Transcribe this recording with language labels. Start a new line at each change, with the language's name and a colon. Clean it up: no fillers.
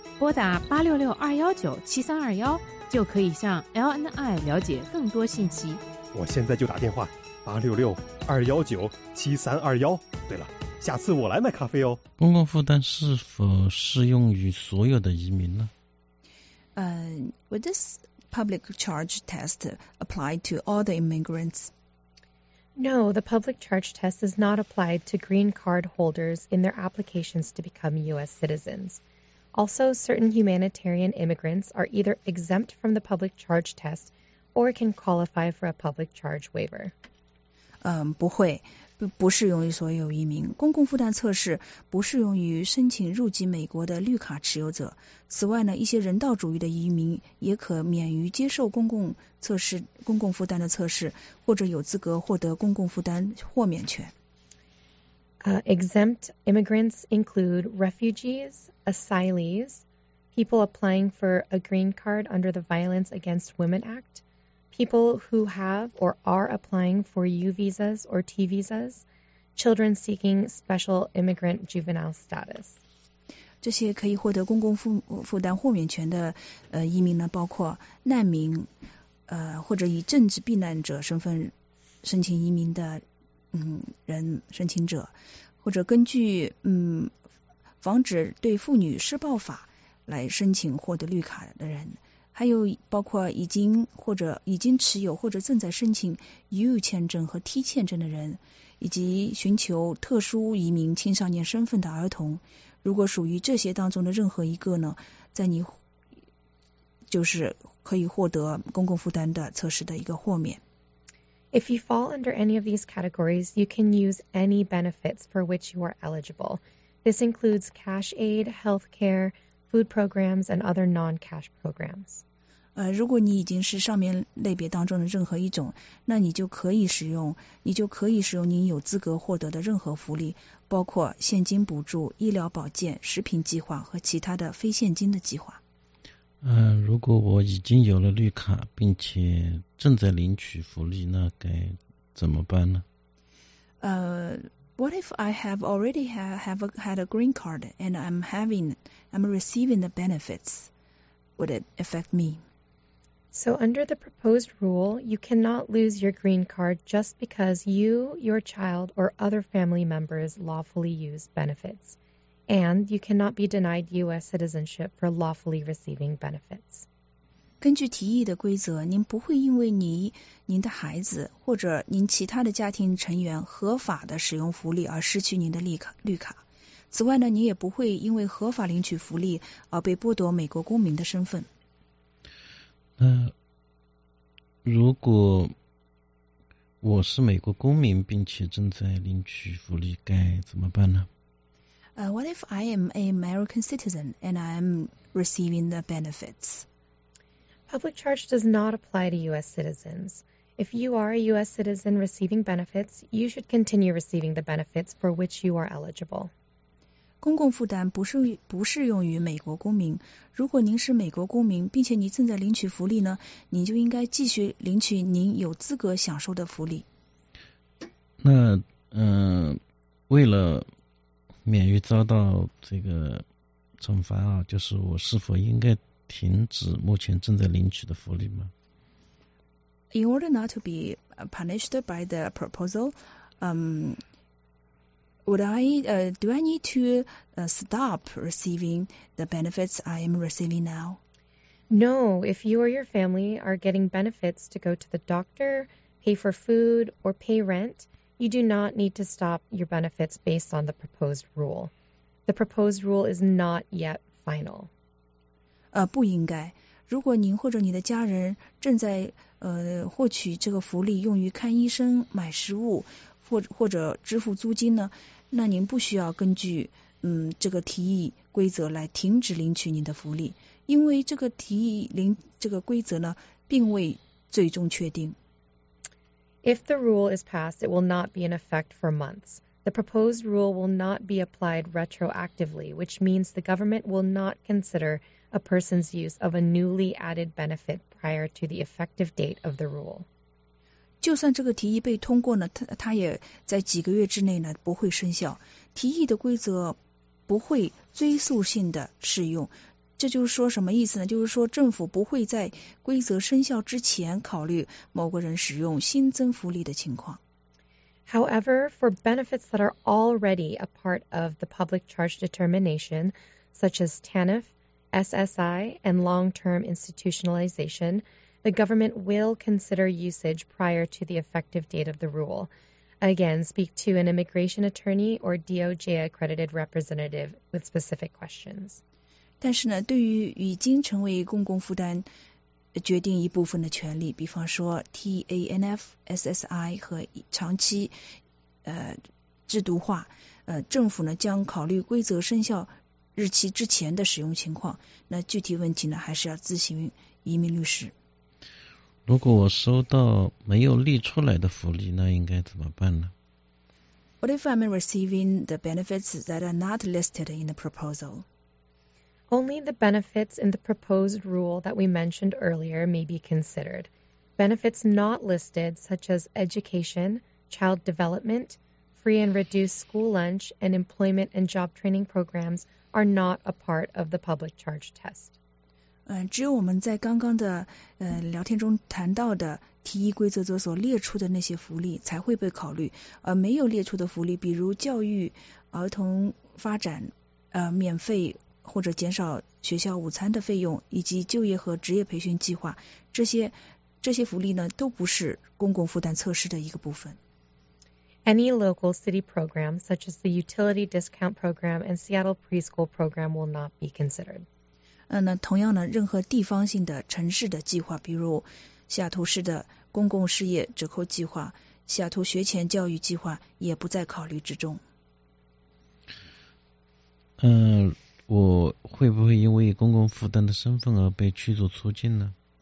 Chinese: 拨打866-219-7321就可以向 LNI 了解更多信息。我现在就打电话866-219-7321。对了，下次我来买咖啡哦。公共负担是否适用于所有的移民呢？
English: Would this public charge test apply to all the immigrants? No, the public charge test is not applied to green card holders in their applications to become U.S. citizens. Also, certain humanitarian immigrants are either exempt from the public charge test or can qualify for a public charge waiver.
Chinese: 不会，不适用于所有移民。公共负担测试不适用于申请入籍美国的绿卡持有者。此外呢，一些人道主义的移民也可免于接受公共负担的测试，或者有资格获得公共负担豁免权。
English: Exempt immigrants include refugees, asylees, people applying for a green card under the Violence Against Women Act, people who have or are applying for U visas or T visas, children seeking special immigrant juvenile status.
Chinese: 这些可以获得公共负担豁免权的移民呢，包括难民，或者以政治避难者身份申请移民的人申请者，或者根据防止对妇女施暴法来申请获得绿卡的人，还有包括已经持有或者正在申请 U 签证和 T 签证的人，以及寻求特殊移民青少年身份的儿童。如果属于这些当中的任何一个呢，在你就是可以获得公共负担的测试的一个豁免。
English: If you fall under any of these categories, you can use any benefits for which you are eligible. This includes cash aid, health care, food programs, and other non-cash programs.
Chinese: 如果你已经是上面类别当中的任何一种，那你就可以使用您有资格获得的任何福利，包括现金补助、医疗保健、食品计划和其他的非现金的计划。如果我已经有了绿卡并且正在领取福利，那该怎么办呢？
English: What if I have already had a green card and I'm receiving the benefits? Would it affect me? So under the proposed rule, you cannot lose your green card just because you, your child, or other family members lawfully use benefits. And you cannot be denied U.S. citizenship for lawfully receiving benefits.
Chinese: 根据提议的规则，您不会因为您的孩子或者您其他的家庭成员合法的使用福利而失去您的绿卡。此外呢，你也不会因为合法领取福利而被剥夺美国公民的身份。如果我是美国公民并且正在领取福利，该怎么办呢？
English: What if I am an American citizen and I am receiving the benefits? Public charge does not apply to U.S. citizens. If you are a U.S. citizen receiving benefits, you should continue receiving the benefits for which you are eligible.
Chinese: 公共负担不适用于美国公民。如果您是美国公民，并且您正在领取福利呢，您就应该继续领取您有资格享受的福利。那为了免于遭到这个惩罚啊，就是我是否应该停止目前正在领取的福利吗
English: ？In order not to be punished by the proposal, do I need to stop receiving the benefits I am receiving now? No, if you or your family are getting benefits to go to the doctor, pay for food, or pay rent. You do not need to stop your benefits based on the proposed rule. The proposed rule is not yet final.
Chinese: 不应该。如果您或者你的家人正在获取这个福利用于看医生、买食物或者支付租金呢，那您不需要根据这个提议规则来停止领取您的福利，因为这个提议这个规则呢并未最终确定。
English: If the rule is passed, it will not be in effect for months. The proposed rule will not be applied retroactively, which means the government will not consider a person's use of a newly added benefit prior to the effective date of the rule.
Chinese: 就算这个提议被通过呢，它也在几个月之内呢不会生效。提议的规则不会追溯性的适用。这就是说什么意思呢？就是说政府不会在规则生效之前考虑某个人使用新增福利的情况。
English: However, for benefits that are already a part of the public charge determination, such as TANF, SSI, and long-term institutionalization, the government will consider usage prior to the effective date of the rule. Again, speak to an immigration attorney or DOJ accredited representative with specific questions.
Chinese: 但是呢，对于已经成为公共负担决定一部分的权利，比方说 TANF、SSI 和长期制度化，政府呢将考虑规则生效日期之前的使用情况。那具体问题呢，还是要咨询移民律师。如果我收到没有列出来的福利，那应该怎么办呢？
English: What if I'm receiving the benefits that are not listed in the proposal? Only the benefits in the proposed rule that we mentioned earlier may be considered. Benefits not listed, such as education, child development, free and reduced school lunch, and employment and job training programs, are not a part of the public charge test.
Chinese: 只有我们在刚刚的聊天中谈到的提议规则所列出的那些福利才会被考虑，而没有列出的福利，比如教育、儿童发展、免费或者减少学校午餐的费用，以及就业和职业培训计划，这些福利呢，都不是公共负担测试的一个部分。
English: Any local city program, such as the utility discount program and Seattle preschool program, will not be considered.
Chinese: 那同样呢，任何地方性的城市的计划，比如西雅图市的公共事业折扣计划、西雅图学前教育计划，也不在考虑之中。我会不会因为公共负担的身份而被驱逐出境呢？